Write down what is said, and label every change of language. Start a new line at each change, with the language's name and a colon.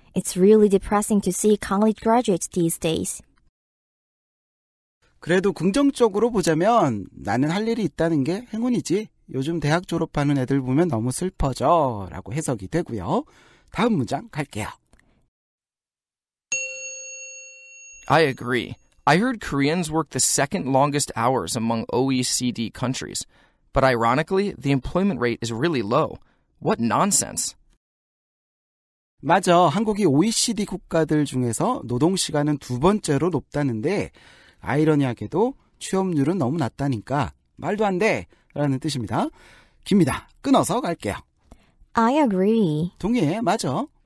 English: It's really depressing to see college graduates these days.
Korean: 그래도 긍정적으로 보자면 나는 할 일이 있다는 게 행운이지. 요즘 대학 졸업하는 애들 보면 너무 슬퍼져 라고 해석이 되고요. 다음 문장 갈게요.
English: I agree. I heard Koreans work the second longest hours among OECD countries. But ironically, the employment rate is really low. What nonsense.
Korean: 맞아. 한국이 OECD 국가들 중에서 노동시간은 두 번째로 높다는데 아이러니하게도 취업률은 너무 낮다니까 말도 안 돼 라는 뜻입니다. 깁니다. 끊어서 갈게요.
English: I agree.
Korean: 동의해. 맞아.